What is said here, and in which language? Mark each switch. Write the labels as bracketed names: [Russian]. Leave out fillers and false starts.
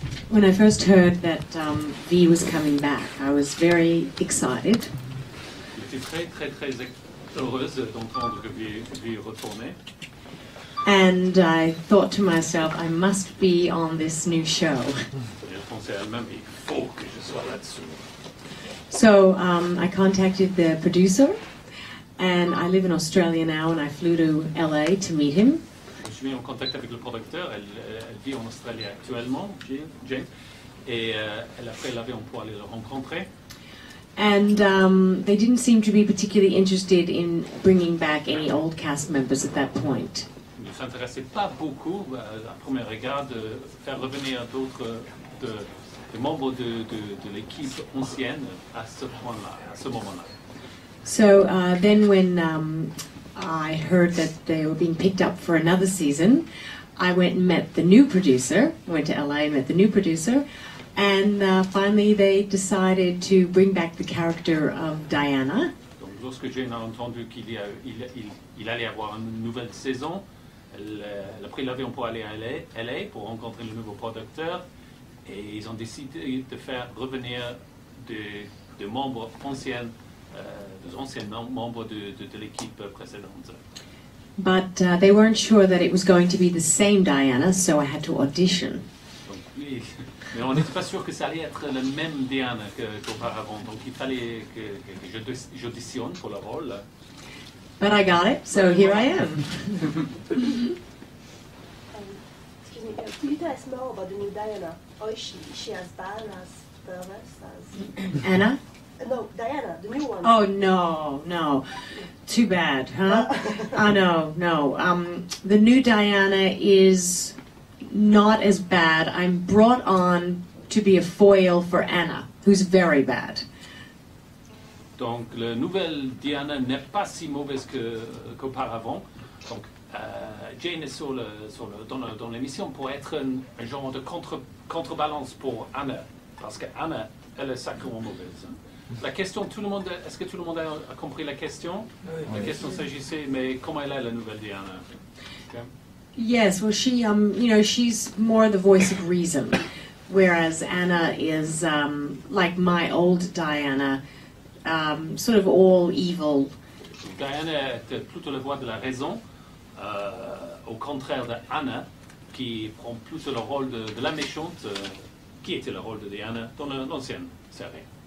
[English] When I first heard that V was coming back, I was very excited. [French] J'étais très très très heureuse d'entendre que V retournait. [English] And I thought to myself, I must be on this new show. [French] Je pensais à moi-même, il faut que je sois là-dessus. [English] So I contacted the producer, and I live in Australia now, and I flew to LA to meet him. [French] Je suis mis en contact avec le producteur, elle vit en Australie actuellement, Jane, et elle a pris l'avion pour aller le rencontrer. [English] And they didn't seem to be particularly interested in bringing back any old cast members at that point. [French] Ils ne s'intéressaient pas beaucoup, à premier regard, de faire revenir d'autres de membres de l'équipe ancienne à ce point-là, à ce moment-là. [English] So then when I heard that they were being picked up for another season, I went and met the new producer, went to LA and met the new producer, and finally they decided to bring back the character of Diana. [French] Donc lorsque Jane a entendu qu'il y a, il allait avoir une nouvelle saison, elle a pris l'avion pour aller à LA pour rencontrer le nouveau producteur, et ils ont décidé de faire revenir des membres anciens. Anciens membres de l'équipe précédente. [English] But they weren't sure that it was going to be the same Diana, so I had to audition. [French] Donc, oui. Mais on n'était pas sûr que ça allait être la même Diana qu'auparavant, donc il fallait que j'auditionne pour le rôle. [English] But I got it, so here I am. Excuse me, could you tell us more about the new Diana? Oh, she as bad as Anna? No, Diana, the new one. Oh, no, no. Too bad, huh? Oh, no, no. The new Diana is not as bad. I'm brought on to be a foil for Anna, who's very bad. [French] Donc, la nouvelle Diana n'est pas si mauvaise qu'auparavant. Donc, Jane est dans l'émission pour être un genre de contrebalance pour Anna, parce que Anna, elle est sacrément mauvaise. La question, tout le monde, est-ce que tout le monde a compris la question? Oui. La question s'agissait, mais comment elle est la nouvelle Diana? Okay. [English] Yes, well, she, you know, she's more the voice of reason, whereas Anna is like my old Diana, sort of all evil. [French] Diana est plutôt la voix de la raison, au contraire de Anna, qui prend plus le rôle de la méchante, qui était le rôle de Diana dans l'ancienne série.